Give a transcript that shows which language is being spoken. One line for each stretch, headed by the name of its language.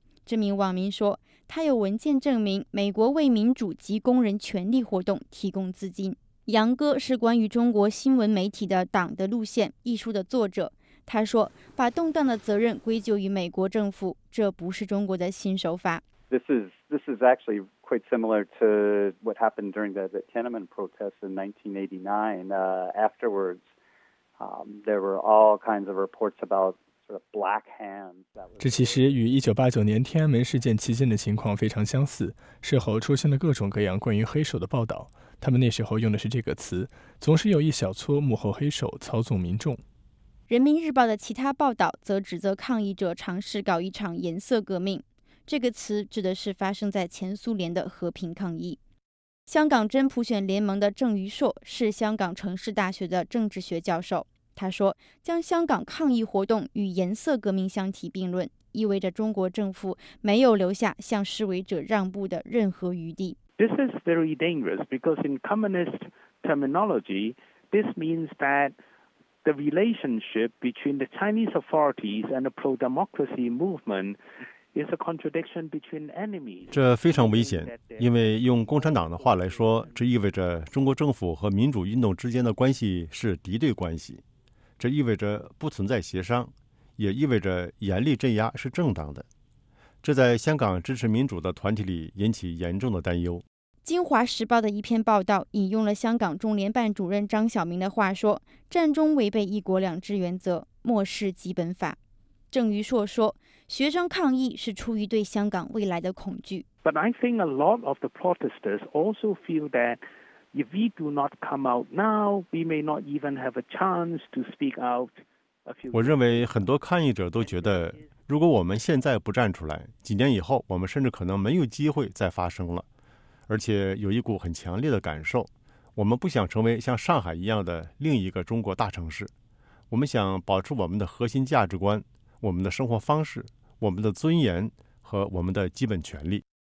Chinese: 这名网民说，他有文件证明美国为民主及工人权利活动提供资金。杨哥是关于中国新闻媒体的党的路线一书的作者，他说，把动荡的责任归咎于美国政府，这不是中国的新手法。
English: This is actually quite similar to what happened during the Tiananmen protests in 1989. Afterwards, there were all kinds of reports about sort of black hands.
Chinese: 这其实与1989年天安门事件期间的情况非常相似，事后出现了各种各样关于黑手的报道，他们那时候用的是这个词，总是有一小撮幕后黑手操纵民众。人民日报的其他报道则指责抗议者尝试搞一场颜色革命，这个词指的是发生在前苏联的和平抗议。香港真普选联盟的郑余硕是香港城市大学的政治学教授，他说，将香港抗议活动与颜色革命相提并论，意味着中国政府没有留下向示威者让步的任何余地。
English: This is very dangerous because in communist terminology, this means thatThe relationship between the Chinese authorities and the pro-democracy movement is a contradiction between enemies.
Chinese: 这非常危险，因为用共产党的话来说，这意味着中国政府和民主运动之间的关系是敌对关系。这意味着不存在协商，也意味着严厉镇压是正当的。这在香港支持民主的团体里引起严重的担忧。 《京华时报》的一篇报道引用了香港中联办主任张晓明的话说，战中违背一国两制原则，漠视基本法。郑余硕说，学生抗议是出于对香港未来的恐惧。
English: But I think a lot of the protesters also feel that if we do not come out now, we may not even have a chance to speak out.
Chinese: 我认为很多抗议者都觉得，如果我们现在不站出来，几年以后我们甚至可能没有机会再发声了。而且有一股很强烈的感受，我们不想成为像上海一样的另一个中国大城市，我们想保持我们的核心价值观、我们的生活方式、我们的尊严和我们的基本权利。